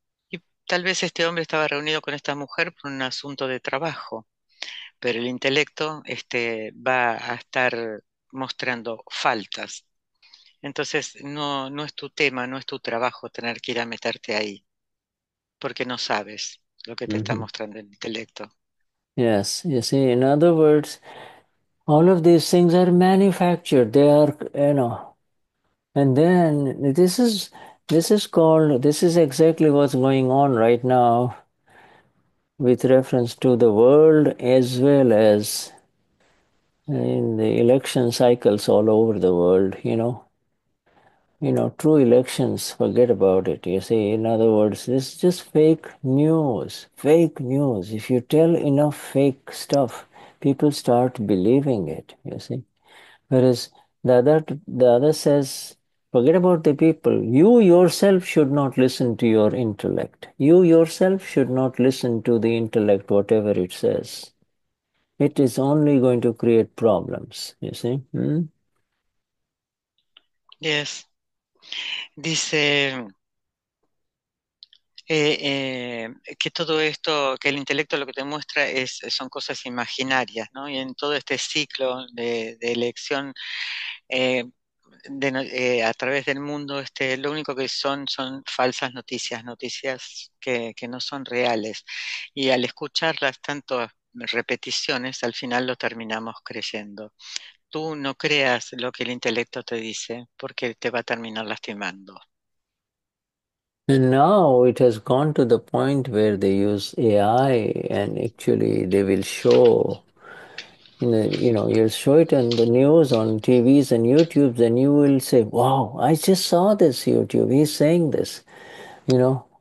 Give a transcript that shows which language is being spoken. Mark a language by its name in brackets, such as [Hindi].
[Spanish] Y tal vez este hombre estaba reunido con esta mujer por un asunto de trabajo, pero el intelecto va a estar mostrando faltas. Entonces, no es tu tema, no es tu trabajo tener que ir a meterte ahí, porque no sabes lo que te está mostrando el intelecto. [English] Yes, you see, in other words, all of these things are manufactured, they are, you know, and then this is exactly what's going on right now with reference to the world as well as in the election cycles all over the world, you know. You know, true elections, forget about it, you see. In other words, this is just fake news, fake news. If you tell enough fake stuff, people start believing it, you see. Whereas the other says, forget about the people. You yourself should not listen to your intellect. You yourself should not listen to the intellect, whatever it says. It is only going to create problems, you see. Yes. [Spanish] Dice que todo esto, que el intelecto lo que te muestra son cosas imaginarias, ¿no? Y en todo este ciclo de elección a través del mundo, lo único que son falsas noticias, noticias que no son reales. Y al escucharlas tantas repeticiones, al final lo terminamos creyendo. Tú no creas lo que el intelecto te dice porque te va a terminar lastimando. [English] And now it has gone to the point where they use AI, and actually they will show, you know, you'll show it on the news, on TVs and YouTubes, and you will say, wow, I just saw this YouTube, he's saying this, you know.